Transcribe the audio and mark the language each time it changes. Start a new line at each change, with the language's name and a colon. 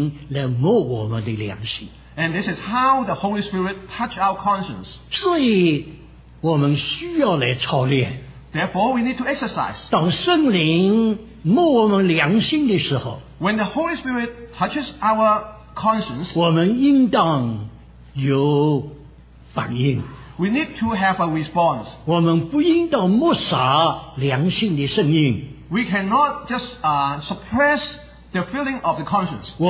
Chinese: 这是就是圣灵来摸我们的良心。
English: And this is how the Holy Spirit touch our conscience.
Chinese: 所以我们需要来操练。
English: Therefore, we need to exercise.
Chinese: 当圣灵摸我们良心的时候,
English: When the Holy Spirit touches our conscience,
Chinese: 我们应当有 反应,
English: we need to have a response.
Chinese: 我们不应当抹杀良心的声音。
English: We cannot just suppress the feeling of the conscience.